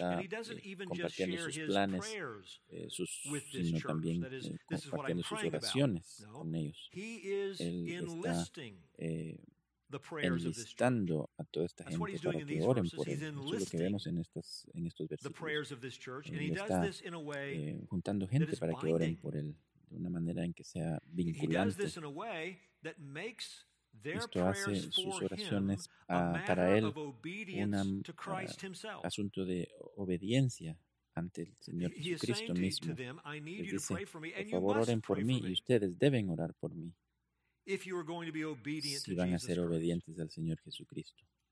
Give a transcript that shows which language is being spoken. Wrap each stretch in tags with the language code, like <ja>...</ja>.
<en>and he doesn't even just share his planes, prayers with this church. That is, this is what I'm praying about. No, he is enlisting the prayers of this church. That's what he's doing in these verses. He's enlisting the prayers of this church, and he does this in a way</en> <es>juntando gente para que oren por él, de una manera en que sea vinculante.</es> <en>He does this in a way that makes</en> <es>esto hace sus oraciones para él un asunto de obediencia ante el Señor Jesucristo mismo. Él dice, por favor, oren por mí y ustedes deben orar por mí si van a ser obedientes al Señor Jesucristo.</es>